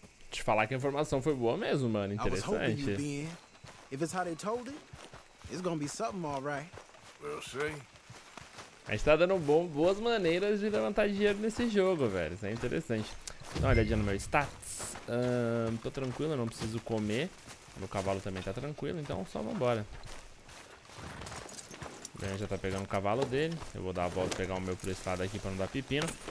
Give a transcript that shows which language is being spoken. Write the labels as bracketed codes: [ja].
[pt] Te falar que a informação foi boa mesmo, mano. Interessante. [en] If it's how they told it, it's gonna be something, all right. We'll see. [pt] A gente tá dando boas maneiras de levantar dinheiro nesse jogo, velho. Isso é interessante. Dá uma olhadinha no meu status. Tô tranquilo, não preciso comer. Meu cavalo também tá tranquilo, então só vambora. Ben já tá pegando o cavalo dele. Eu vou dar a volta e pegar o meu prestado aqui pra não dar pepino.